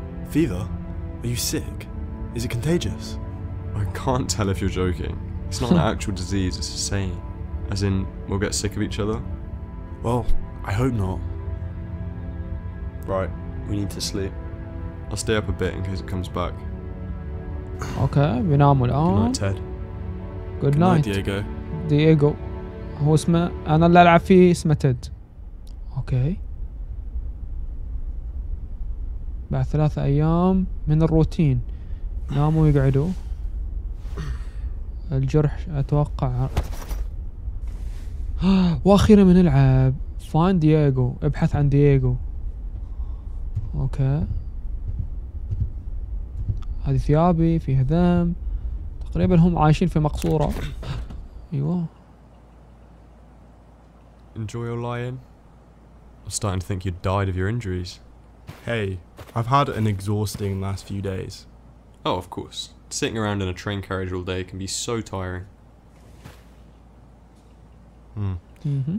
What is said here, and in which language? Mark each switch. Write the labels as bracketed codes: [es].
[en] Fever? Are you sick? Is it contagious? I can't tell if you're joking. It's not an actual disease, it's a saying. As in, we'll get sick of each other? Well, I hope not. Right, we need to sleep. I'll stay up a bit in case it comes back. [ar] Okay, بنام الآن. [en] Good night, Ted. Good night. Good night, Diego. [ar] Diego. هو اسمه... أنا اللي ألعب فيه اسمه تيد. Okay. بعد 3 أيام من الروتين ناموا يقعدوا الجرح أتوقع وأخيرا من العاب [en] find Diego [ar] ابحث عن Diego اوكي هذه ثيابي فيها دم تقريبا هم عايشين في مقصورة ايوه [en] enjoy your lion I'm starting to think you died of your injuries Hey, I've had an exhausting last few days. Oh, of course. Sitting around in a train carriage all day can be so tiring. Hmm. Mm-hmm.